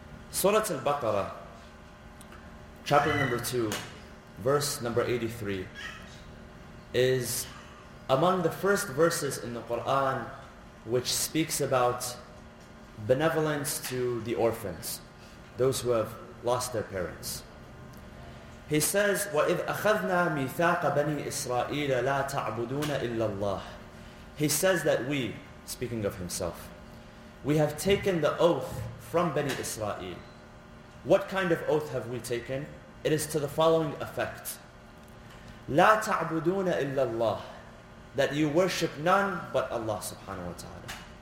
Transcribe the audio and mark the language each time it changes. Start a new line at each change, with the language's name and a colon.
English: Surah Al-Baqarah, chapter number 2, verse number 83, is among the first verses in the Qur'an which speaks about benevolence to the orphans, those who have lost their parents. He says,
Arabic: وَإِذْ أَخَذْنَا مِيثَاقَ بَنِي إِسْرَائِيلَ لَا تَعْبُدُونَ إِلَّا اللَّهِ.
English: He says that we, speaking of himself, we have taken the oath from Bani Israel. What kind of oath have we taken? It is to the following effect.
Arabic: لَا تَعْبُدُونَ إِلَّا اللَّهِ.
English: That you worship none but Allah subhanahu wa ta'ala.